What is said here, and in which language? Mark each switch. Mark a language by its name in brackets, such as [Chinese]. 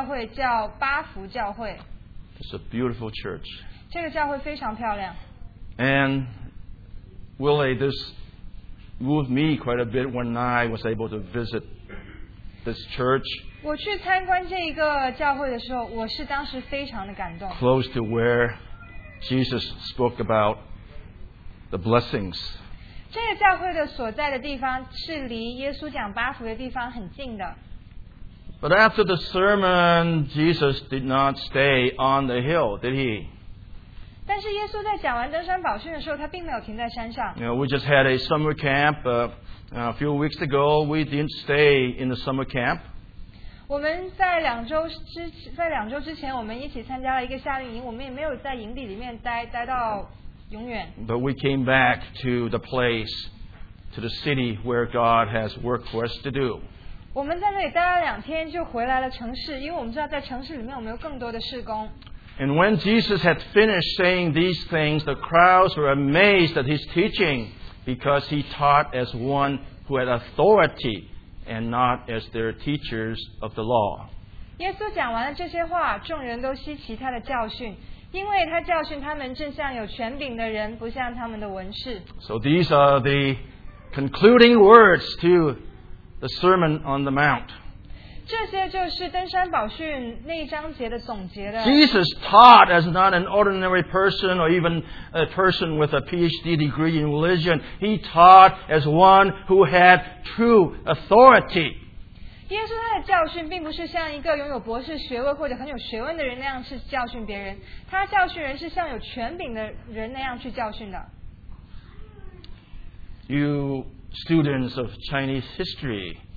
[Chinese] 如果你仔细的去看这幅画的话，你会看到那个海附近有一个小的教会叫巴福教会。 [English] It's a beautiful church. [Chinese] 这个教会非常漂亮。 [English] And Willie, this moved me quite a bit when I was able to visit this church. [Chinese] 我去参观这一个教会的时候，我是当时非常的感动。 [English] Close to where Jesus spoke about the blessings. [Chinese] 这个教会的所在的地方是离耶稣讲八福的地方很近的。 [English] But after the sermon, Jesus did not stay on the hill, did he? [Chinese] 但是耶稣在讲完登山宝训的时候，他并没有停在山上。 [English] You know, we just had a summer camp a few weeks ago. We didn't stay in the summer camp. [Chinese] 我们在两周之前，我们一起参加了一个夏令营，我们也没有在营地里面待到永远。 [English] But we came back to the place, to the city where God has work for us to do. [Chinese] 我们在那里待了两天就回来了城市，因为我们知道在城市里面我们有更多的事工。 [English] And when Jesus had finished saying these things, the crowds were amazed at his teaching because he taught as one who had authority and not as their teachers of the law. [Chinese] 耶稣讲完了这些话，众人都稀奇他的教训，因为他教训他们正像有权柄的人，不像他们的文士。 [English] So these are the concluding words to the Sermon on the Mount. [Chinese] 这些就是登山宝训那一章节的总结的。 [English] Jesus taught as not an ordinary person or even a person with a PhD degree in religion. He taught as one who had true authority. [Chinese] 耶稣他的教训并不是像一个拥有博士学位或者很有学问的人那样去教训别人。他教训人是像有权柄的人那样去教训的。 [English] You... students of Chinese history.